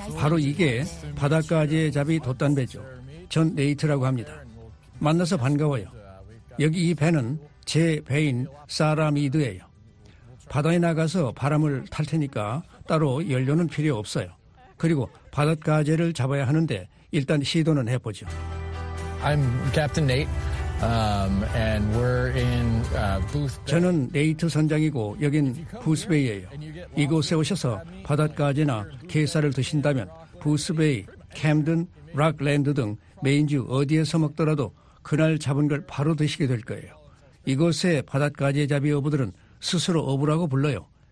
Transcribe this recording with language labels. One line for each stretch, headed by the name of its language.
Korean: 바로 이게 바닷가지 잡이 돛단배죠. 전 네이트라고 합니다. 만나서 반가워요. 여기 이 배는 제 배인 사라 미드예요. 바다에 나가서 바람을 탈 테니까 따로 연료는 필요 없어요. 그리고 바닷가재를 잡아야 하는데 일단 시도는 해보죠.
English: I'm Captain Nate, and we're in Booth Bay.
Korean: 저는 네이트 선장이고 여긴 부스베이예요. 이곳에 오셔서 바닷가재나 게살을 드신다면 부스베이, 캠든, 락랜드 등 메인주 어디에서 먹더라도 그날 잡은 걸 바로 드시게 될 거예요. 이곳의 바닷가재 잡이 어부들은 스스로 어부라고 불러요.